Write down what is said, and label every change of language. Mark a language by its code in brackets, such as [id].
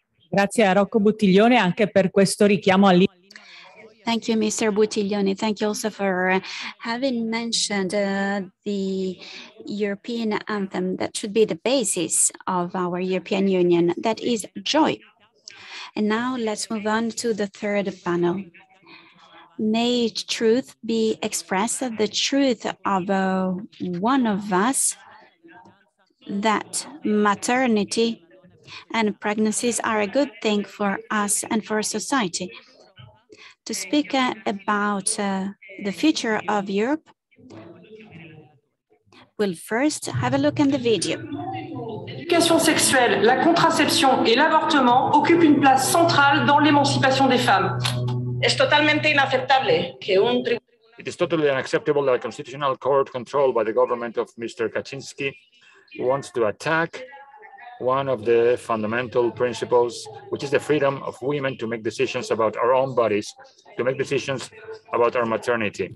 [it] Grazie a Rocco Buttiglione anche per questo richiamo all'. [en] Thank you, Mr. Buttiglione. Thank you also for having mentioned the European anthem that should be the basis of our European Union. That is joy. And now let's move on to the third panel. May truth be expressed, the truth of one of us, that maternity and pregnancies are a good thing for us and for society. To speak about the future of Europe, we'll first have a look in the video. [fr] L'éducation sexuelle, la contraception et l'avortement occupent une place centrale dans l'émancipation des femmes. [es] Es totalmente inaceptable que un tribunal. [en] It is totally unacceptable that a constitutional court controlled by the government of Mr. Kaczynski wants to attack one of the fundamental principles, which is the freedom of women to make decisions about our own bodies, to make decisions about our maternity.